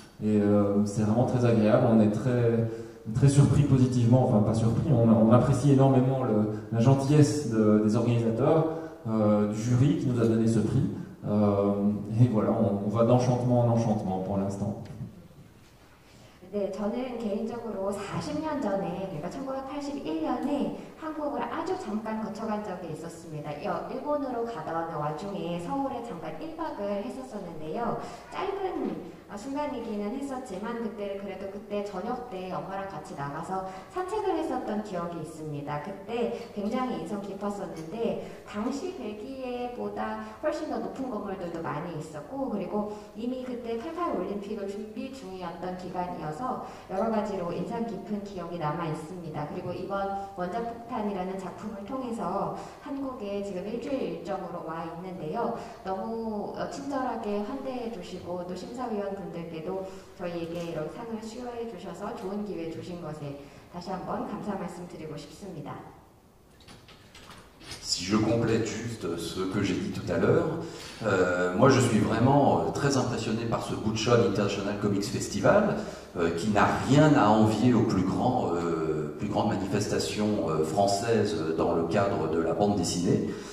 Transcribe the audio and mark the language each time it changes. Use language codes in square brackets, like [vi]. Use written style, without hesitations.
[fr] Et c'est vraiment très agréable. On est très, très surpris positivement, enfin pas surpris, on apprécie énormément la gentillesse des organisateurs, du jury qui nous a donné ce prix. Et voilà, on va d'enchantement en enchantement pour l'instant. [ko] 네, 저는 개인적으로 40년 전에 제가 1981년에 한국을 아주 잠깐 거쳐간 적이 있었습니다. 일본으로 가던 와중에 서울에 잠깐 1박을 했었었는데요. 짧은 순간이기는 했었지만 그때 저녁 때 엄마랑 같이 나가서 산책을 했었던 기억이 있습니다. 그때 굉장히 인상 깊었었는데 당시 벨기에보다 훨씬 더 높은 건물들도 많이 있었고 그리고 이미 그때 88 올림픽을 준비 중이었던 기간이어서 여러 가지로 인상 깊은 기억이 남아 있습니다. 그리고 이번 원자폭탄이라는 작품을 통해서 한국에 지금 일주일 일정으로 와 있는데요. 너무 친절하게 환대해 주시고 또 심사위원분들께도 저희에게 이런 상을 수여해 주셔서 좋은 기회 주신 것에 다시 한번 감사 말씀드리고 싶습니다. [fr] Si je complète juste ce que j'ai dit tout à l'heure, moi je suis vraiment très impressionné par ce Butcha International Comics Festival qui n'a rien à envier aux plus grandes manifestations françaises dans le cadre de la bande dessinée.